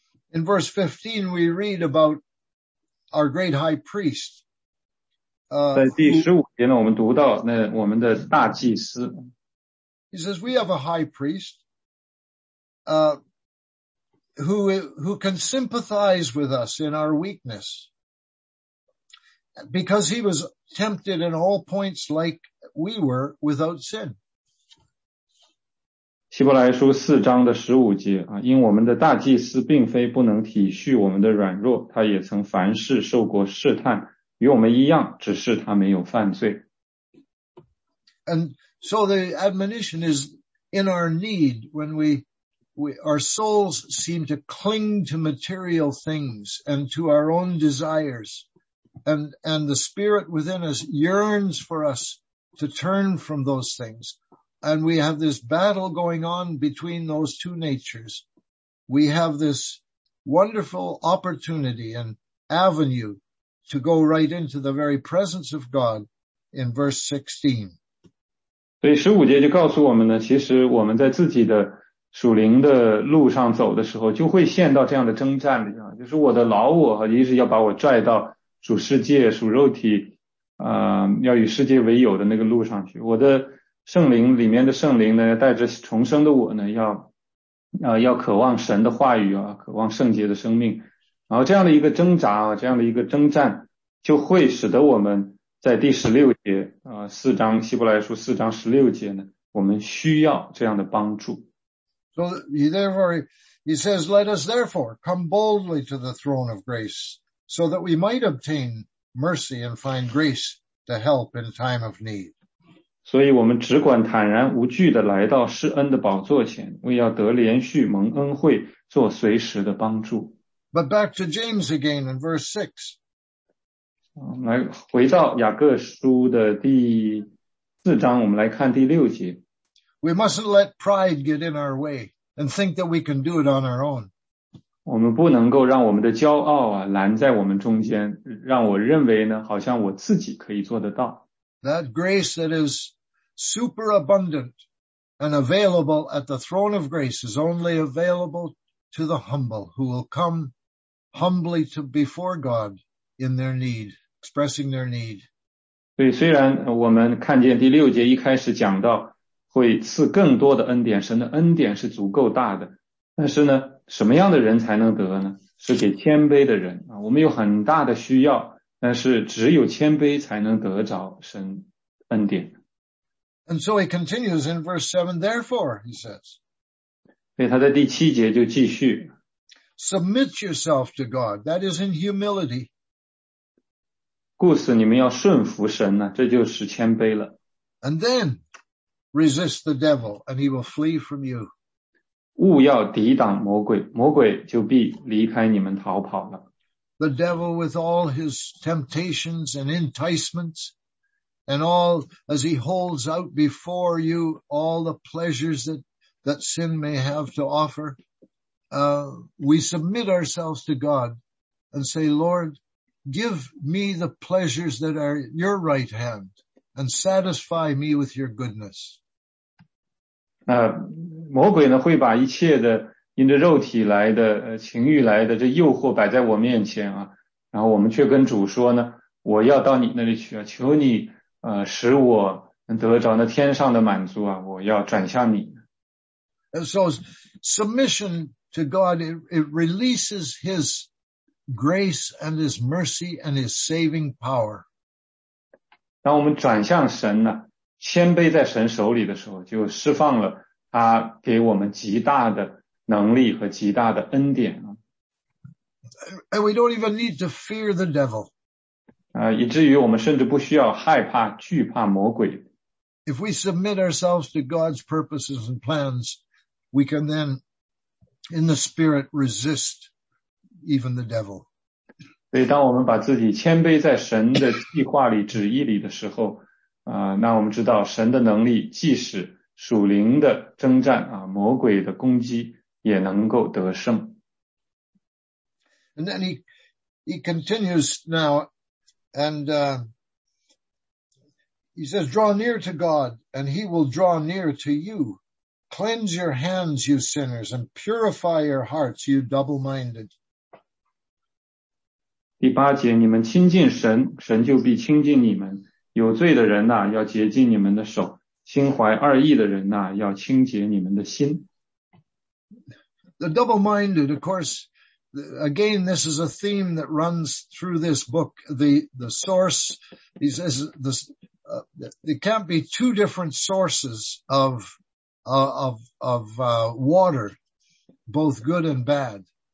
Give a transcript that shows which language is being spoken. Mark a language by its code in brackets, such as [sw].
[en] In verse 15, we read about our great high priest. [zh] 在第十五节呢，我们读到那我们的大祭司。 [en] He says, "We have a high priest, who can sympathize with us in our weakness, because he was tempted in all points like we were, without sin." [zh] 希伯来书四章的十五节啊，因我们的大祭司并非不能体恤我们的软弱，他也曾凡事受过试探，与我们一样，只是他没有犯罪。 [en] And so the admonition is in our need when we our souls seem to cling to material things and to our own desires, and the spirit within us yearns for us to turn from those things. And we have this battle going on between those two natures. We have this wonderful opportunity and avenue to go right into the very presence of God in verse 16. [zh] 所以十五节就告诉我们呢，其实我们在自己的属灵的路上走的时候，就会陷到这样的征战里啊，就是我的老我和一直要把我拽到属世界、属肉体，要与世界为友的那个路上去。我的圣灵里面的圣灵呢，带着重生的我呢，要渴望神的话语啊，渴望圣洁的生命，然后这样的一个挣扎啊，这样的一个征战，就会使得我们在第十六节啊，四章希伯来书四章十六节呢，我们需要这样的帮助。 [en] So he says, "Let us therefore come boldly to the throne of grace, so that we might obtain mercy and find grace to help in time of need." [zh] 所以我们只管坦然无惧地来到施恩的宝座前，为要得连续蒙恩惠，做随时的帮助。 [en] But back to James again in verse 6. [zh] 来回到雅各书的第四章，我们来看第六节。 [en] We mustn't let pride get in our way and think that we can do it on our own. [zh] 我们不能够让我们的骄傲啊拦在我们中间，让我认为呢好像我自己可以做得到。 [en] That grace that is superabundant and available at the throne of grace is only available to the humble who will come humbly to before God in their need, expressing their need. [zh] 对，虽然我们看见第六节一开始讲到会赐更多的恩典，神的恩典是足够大的，但是呢，什么样的人才能得呢？是给谦卑的人啊，我们有很大的需要，但是只有谦卑才能得着神恩典。 [en] And so he continues in verse 7, therefore, he says. [zh] 所以他在第七节就继续。 [en] Submit yourself to God, that is in humility. [zh] 故此你们要顺服神呢，这就是谦卑了。 [en] And then, resist the devil, and he will flee from you. [zh] 务要抵挡魔鬼，魔鬼就必离开你们逃跑了。 [en] The devil with all his temptations and enticements and all as he holds out before you all the pleasures that sin may have to offer, we submit ourselves to God and say, Lord, give me the pleasures that are your right hand and satisfy me with your goodness. [zh] 魔鬼呢会把一切的因着肉体来的情欲来的这诱惑摆在我面前啊，然后我们却跟主说呢，我要到你那里去啊，求你使我能得着那天上的满足啊，我要转向你。 [en] And so submission to God, it releases his grace and his mercy and his saving power. [zh] 当我们转向神呢，谦卑在神手里的时候，就释放了他给我们极大的能力和极大的恩典。 [en] And we don't even need to fear the devil. [zh] 以至于我们甚至不需要害怕、惧怕魔鬼。 [en] If we submit ourselves to God's purposes and plans, we can then in the spirit resist even the devil. [zh] 所以当我们把自己谦卑在神的计划里旨意里的时候、那我们知道神的能力即使属灵的征战、魔鬼的攻击也能够得胜。 [en] And then he continues now, and he says, draw near to God, and he will draw near to you. Cleanse your hands, you sinners, and purify your hearts, you double-minded. [zh] 第八节，你们亲近神，神就必亲近你们。有罪的人呐、要洁净你们的手。心怀二意的人呐、要清洁你们的心。 [en] The double-minded, of course, again, this is a theme that runs through this book. The source, he says, there can't be two different sources of water, both good and bad.